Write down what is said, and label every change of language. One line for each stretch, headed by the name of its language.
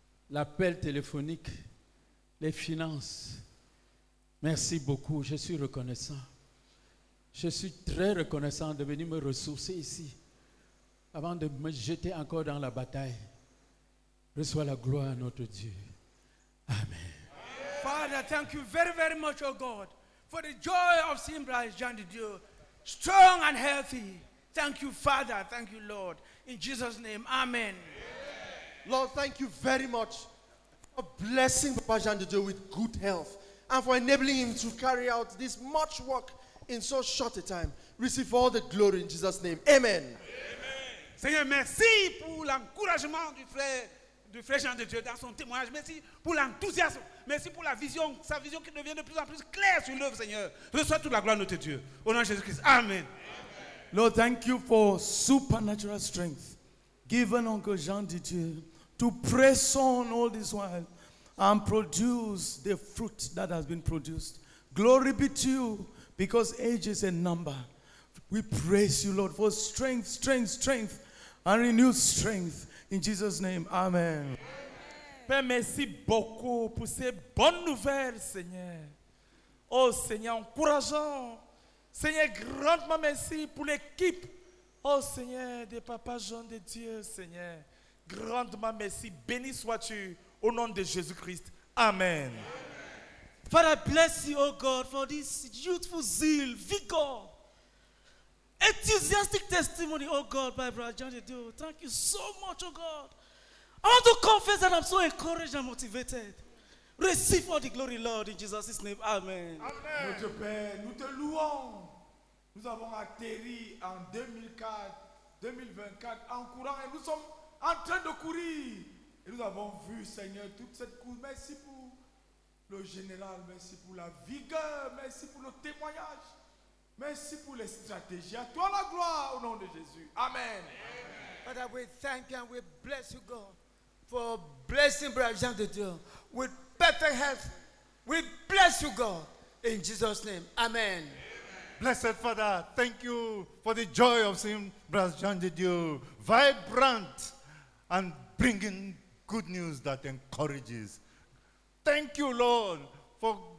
French: L'appel téléphonique, les finances. Merci beaucoup, je suis reconnaissant. Je suis très reconnaissant de venir me ressourcer ici avant de me jeter encore dans la bataille. Reçois la gloire à notre Dieu. Amen.
English: Father, thank you very, very much, oh God, for the joy of seeing Brother John de Dieu strong and healthy. Thank you, Father. Thank you, Lord. In Jesus' name, amen. Lord, thank you very much for blessing Brother John de Dieu with good health and for enabling him to carry out this much work in so short a time. Receive all the glory in Jesus' name. Amen.
French: Seigneur, merci pour l'encouragement du frère Jean de Dieu dans son témoignage. Merci pour l'enthousiasme. Merci pour la vision, sa vision qui devient de plus en plus claire sur l'œuvre, Seigneur. Reçois toute la gloire à notre Dieu. Au nom de Jésus-Christ. Amen. Amen.
English: Lord, thank you for supernatural strength given Uncle Jean de Dieu to press on all this while and produce the fruit that has been produced. Glory be to you because age is a number. We praise you, Lord, for strength, strength, strength and renewed strength. In Jesus' name, amen.
French: Père, merci beaucoup pour ces bonnes nouvelles, Seigneur. Oh, Seigneur, encourageant. Seigneur, grandement merci pour l'équipe. Oh, Seigneur, des papas Jean de Dieu, Seigneur. Grandement merci. Béni sois-tu au nom de Jésus-Christ. Amen.
English: Father, bless you, oh God, for this youthful zeal, vigor. Enthusiastic testimony, oh God, by Brother John de Dieu. Thank you so much, oh God. I want to confess that I'm so encouraged and motivated. Receive all the glory, Lord, in Jesus' name. Amen.
French: Amen. Notre Père, nous te louons. Nous avons atterri en 2024 en courant et nous sommes en train de courir. Et nous avons vu, Seigneur, toute cette course. Merci pour le général, merci pour la vigueur, merci pour le témoignage. Merci pour les stratégies. À toi la gloire au nom de Jésus. Amen. Amen.
English: Father, we thank you and we bless you, God, for blessing Brother Jean de Dieu with perfect health. We bless you, God, in Jesus' name. Amen. Amen. Blessed Father, thank you for the joy of seeing Brother Jean de Dieu vibrant and bringing good news that encourages. Thank you, Lord, for